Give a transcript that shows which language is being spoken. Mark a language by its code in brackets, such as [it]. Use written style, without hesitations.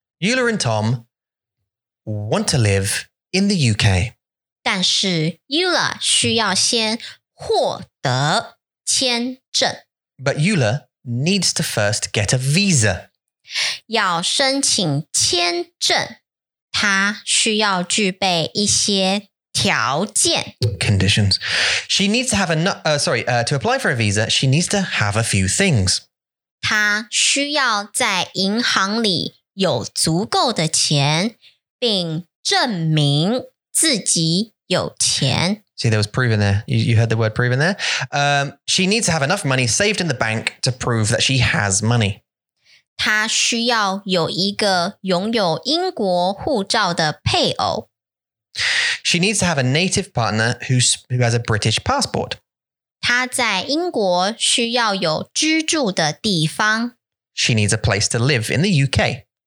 [en] Eula and Tom want to live in the UK [zh] 但是 Eula 需要先获得签证 [en] But Eula needs to first get a visa [zh] 要申请签证 她需要具备一些条件 [en] Conditions She needs to have to apply for a visa She needs to have a few things [zh] 他需要在银行里有足够的钱，并证明自己有钱。 [en] See, there was proven there. You heard the word proven there. She needs to have enough money saved in the bank to prove that she has money. [zh] 他需要有一个拥有英国护照的配偶。 [en] She needs to have a native partner who has a British passport. [zh] 她在英国需要有居住的地方 [en] She needs a place to live in the UK